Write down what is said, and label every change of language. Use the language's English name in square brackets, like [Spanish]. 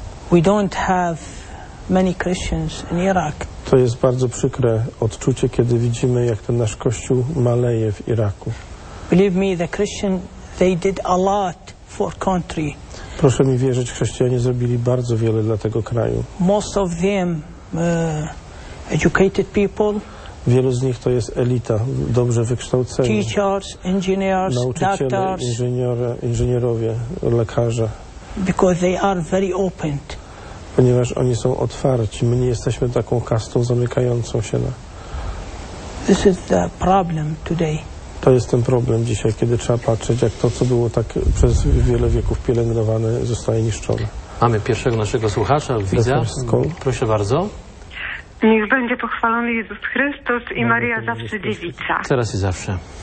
[English] We don't have many Christians in Iraq. [Polish] To jest bardzo przykre odczucie, kiedy widzimy, jak ten nasz kościół maleje w Iraku. [English] Believe me, the Christian, they did a lot for country. [Polish] Proszę mi wierzyć, chrześcijanie zrobili bardzo wiele dla tego kraju. [English] Most of them educated people. [Polish] Wielu z nich to jest elita, dobrze wykształceni. [English] Teachers, engineers, [Polish] nauczyciele, [English] doctors, [Polish] inżynierowie, lekarze. [English] Because they are very open. [Polish] Ponieważ oni są otwarci. My nie jesteśmy taką kastą zamykającą się na. [English] This is the problem today. [Polish] To jest ten problem dzisiaj, kiedy trzeba patrzeć, jak to, co było tak przez wiele wieków pielęgnowane, zostaje niszczone. Mamy pierwszego naszego słuchacza, widza. Proszę bardzo. Niech będzie pochwalony Jezus Chrystus i Maria zawsze dziewica. Teraz i zawsze.